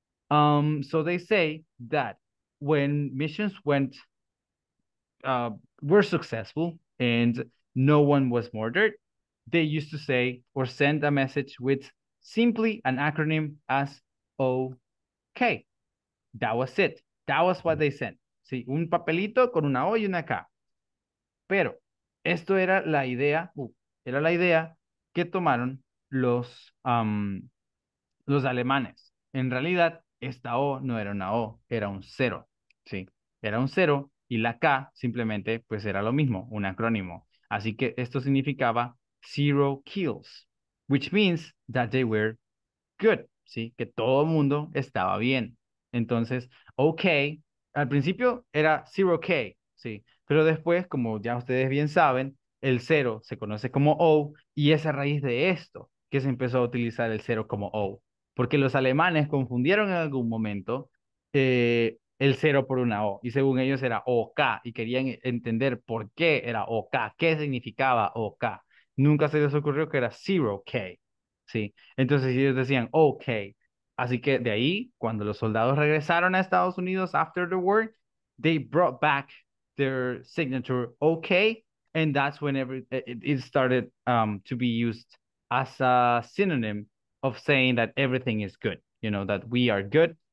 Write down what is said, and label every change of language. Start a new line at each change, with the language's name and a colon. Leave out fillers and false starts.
English: So they say that when missions were successful and no one was murdered, they used to say or send a message with simply an acronym as OK. That was it. That was what they sent.
Spanish: Sí, un papelito con una O y una K. Pero esto era la idea, que tomaron los alemanes. En realidad, esta O no era una O, era un cero, ¿sí? Era un cero y la K simplemente pues era lo mismo, un acrónimo. Así que esto significaba
English: zero kills, which means that they were good,
Spanish: ¿sí? Que todo el mundo estaba bien. Entonces, OK, al principio era zero K, ¿sí? Pero después, como ya ustedes bien saben, el cero se conoce como O, y es a raíz de esto que se empezó a utilizar el cero como O. Porque los alemanes confundieron en algún momento el cero por una O, y según ellos era OK, y querían entender por qué era OK, qué significaba OK. Nunca se les ocurrió que era zero K, ¿sí? Entonces ellos decían OK. Así que de ahí, cuando los soldados regresaron a Estados Unidos
English: after the war, they brought back their signature OK, and that's when it started to be used as a synonym of saying that everything is good, you know, that we are good.